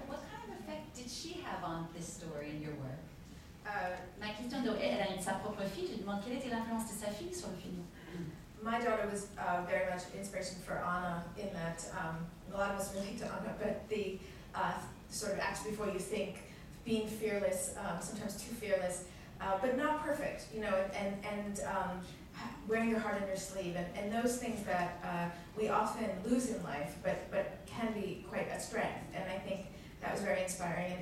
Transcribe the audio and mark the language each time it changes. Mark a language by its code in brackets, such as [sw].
[en] What kind of effect did she have on this story in your work? [fr] Ma question de elle a sa propre fille. Je demande quelle était l'influence de sa fille sur le film. [en] My daughter was very much inspiration for Anna in that a lot of us relate to Anna, but the sort of act before you think, being fearless, sometimes too fearless, but not perfect, you know, and wearing your heart on your sleeve, and those things that we often lose in life, but can be quite a strength, and I think that was very inspiring.